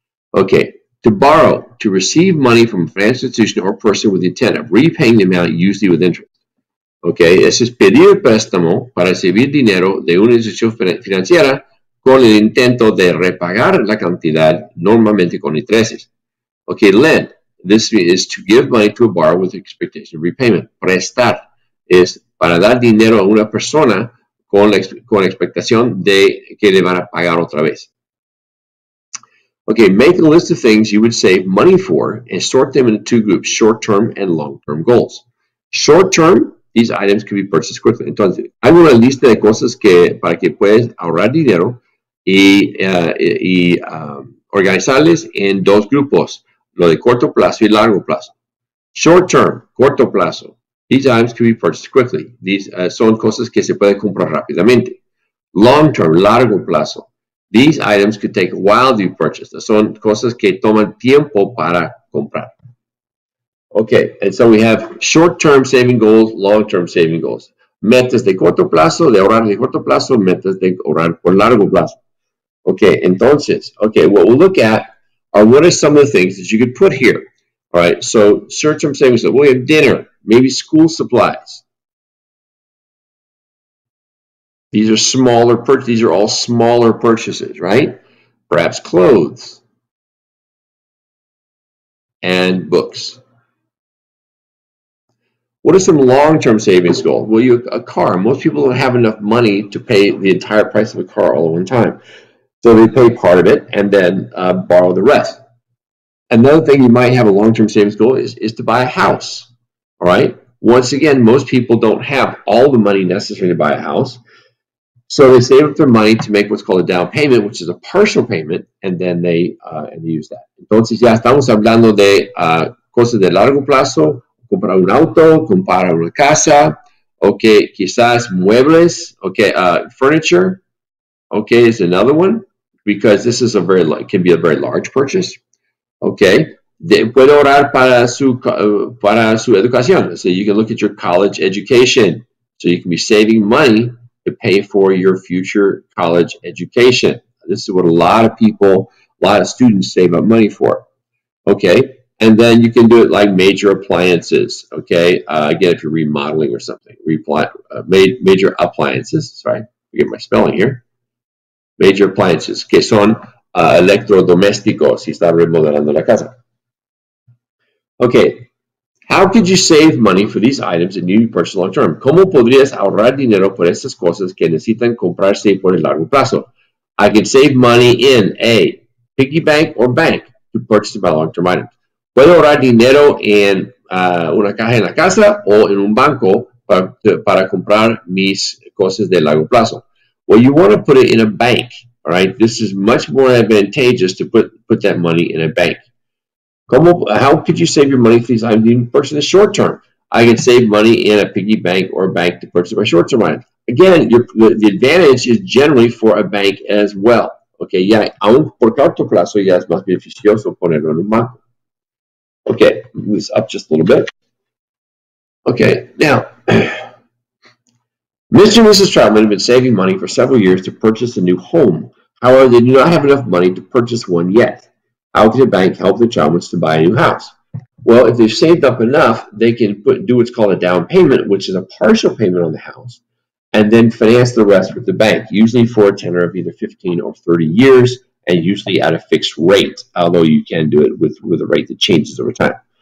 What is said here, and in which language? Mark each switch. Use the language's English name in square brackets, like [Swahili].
[English] Okay, to borrow, to receive money from a financial institution or person with the intent of repaying the amount, usually with interest. [Spanish] Okay, eso es pedir préstamo para recibir dinero de una institución financiera con el intento de repagar la cantidad normalmente con intereses. [English] Okay, lend. This is to give money to a borrower with expectation of repayment. [Spanish] Prestar es para dar dinero a una persona con la expectación de que le van a pagar otra vez. [English] Okay, make a list of things you would save money for and sort them into two groups, short-term and long-term goals. Short-term, these items can be purchased quickly. [Spanish] Entonces, hay una lista de cosas que para que puedes ahorrar dinero y organizarles en dos grupos, lo de corto plazo y largo plazo. [English] Short term, [Spanish] corto plazo. [English] These items can be purchased quickly. [Spanish] These son cosas que se pueden comprar rápidamente. Long term, largo plazo. [English] These items could take a while to be purchased. [Spanish] Son cosas que toman tiempo para comprar. [English] Okay, and so we have short-term saving goals, long-term saving goals. [Spanish] Metas de corto plazo, de ahorrar de corto plazo, metas de ahorrar por largo plazo. [English] Okay, entonces, okay, what we'll look at are what are some of the things that you could put here. All right, so short-term savings, so we have dinner, maybe school supplies. These are smaller purchases, these are all smaller purchases, right? Perhaps clothes and books. What are some long-term savings goals? Well, a car. Most people don't have enough money to pay the entire price of a car all at one time. So they pay part of it and then borrow the rest. Another thing you might have a long-term savings goal is to buy a house. All right? Once again, most people don't have all the money necessary to buy a house. So they save up their money to make what's called a down payment, which is a partial payment, and then they use that. [Spanish] Entonces, ya estamos hablando de cosas de largo plazo. Comprar un auto, comprar una casa, okay, quizás muebles, [English] okay, furniture, okay, is another one, because this is can be a very large purchase, okay. [Spanish] Puede ahorrar para su educación, [English] so you can look at your college education, so you can be saving money to pay for your future college education. This is what a lot of students save up money for, okay. And then you can do it like major appliances, okay? Again, if you're remodeling or something, major appliances, sorry, forget my spelling here. [Spanish] Major appliances, que son electrodomésticos, si está remodelando la casa. [English] Okay, how could you save money for these items and you purchase long term? [Spanish] ¿Cómo podrías ahorrar dinero por estas cosas que necesitan comprarse por el largo plazo? [English] I can save money in a piggy bank or bank to purchase my long term items. [Spanish] Puedo ahorrar dinero en una caja en la casa o en un banco para comprar mis cosas de largo plazo. [English] Well, you want to put it in a bank, all right? This is much more advantageous to put that money in a bank. How could you save your money for these items you can purchase in the short term? I can save money in a piggy bank or a bank to purchase my short term items. Again, the advantage is generally for a bank as well, [Spanish] Okay, ya, aún por corto plazo ya es más beneficioso ponerlo en un banco. [English] Okay, move this up just a little bit. Okay, now, Mr. and Mrs. Troutman have been saving money for several years to purchase a new home. However, they do not have enough money to purchase one yet. How can a bank help the Troutmans to buy a new house? Well, if they've saved up enough, they can do what's called a down payment, which is a partial payment on the house, and then finance the rest with the bank, usually for a tenor of either 15 or 30 years, and usually at a fixed rate, although you can do it with a rate that changes over time.